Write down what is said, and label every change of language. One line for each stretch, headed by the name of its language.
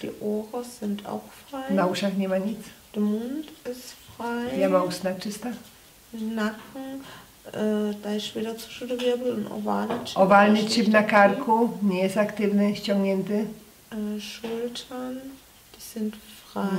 German: Die Ohren sind auch frei.
Polish: Na uszach nie ma nic.
German: Der Mund ist frei.
Polish: Ja mam usta czyste.
German: Nacken, da ist wieder Zwischenwirbel und ovale Chip.
Polish: Owalny Chip na karku, nie jest aktywny, ściągnięty.
German: Schultern, die sind frei.